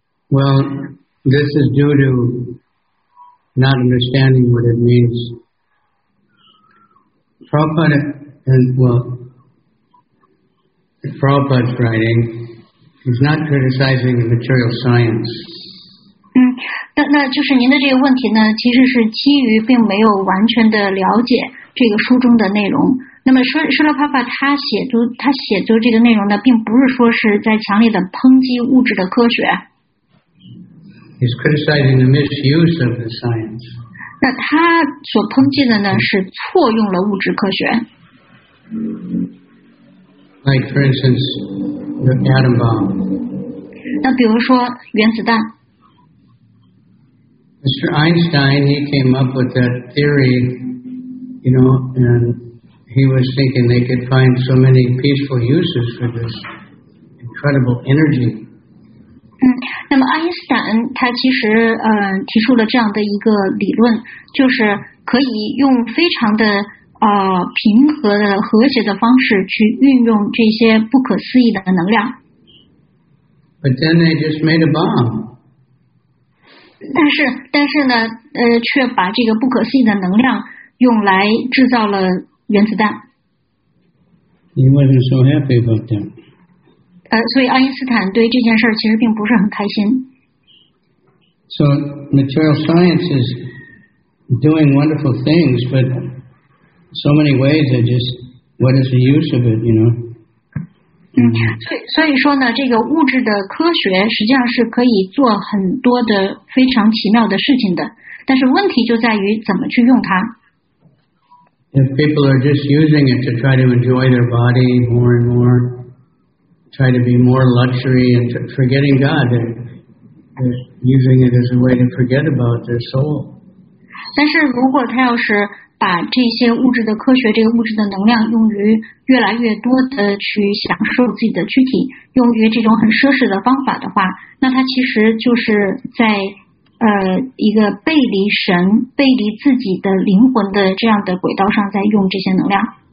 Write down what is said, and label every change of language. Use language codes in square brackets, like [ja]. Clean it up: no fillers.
[en] Well, this is due to not understanding what it means. Prabhupada, Prabhupada's writing is not criticizing the material science. [zh] 那就是您的这个问题呢，其实是基于并没有完全的了解这个书中的内容。那么舍勒帕帕他写作这个内容呢，并不是说是在强烈的抨击物质的科学。 [en] He's criticizing the misuse of the science. [zh] 那他所抨击的呢，是错用了物质科学。 [en] Like for instance, the atom bomb. [zh] 那比如说原子弹。 [en] Mr. Einstein, he came up with that theory, you know, and he was thinking they could find so many peaceful uses for this incredible energy. [zh] 那么爱因斯坦他其实提出了这样的一个理论，就是可以用非常的平和的和谐的方式去运用这些不可思议的能量。 [en] But then they just made a bomb. [zh] 但是呢，却把这个不可思议的能量用来制造了原子弹。 [en] He wasn't so happy about that. [zh] 所以爱因斯坦对这件事其实并不是很开心。 [en] So material science is doing wonderful things, but so many ways are just what is the use of it, you know? [zh] 所以说呢，这个物质的科学实际上是可以做很多的非常奇妙的事情的，但是问题就在于怎么去用它。 [en] If people are just using it to try to enjoy their body more and more, try to be more luxury and forgetting God, they're using it as a way to forget about their soul. [zh] 但是如果他要是把这些物质的科学，这个物质的能量用于越来越多的去享受自己的躯体，用于这种很奢侈的方法的话，那它其实就是在一个背离神、背离自己的灵魂的这样的轨道上在用这些能量。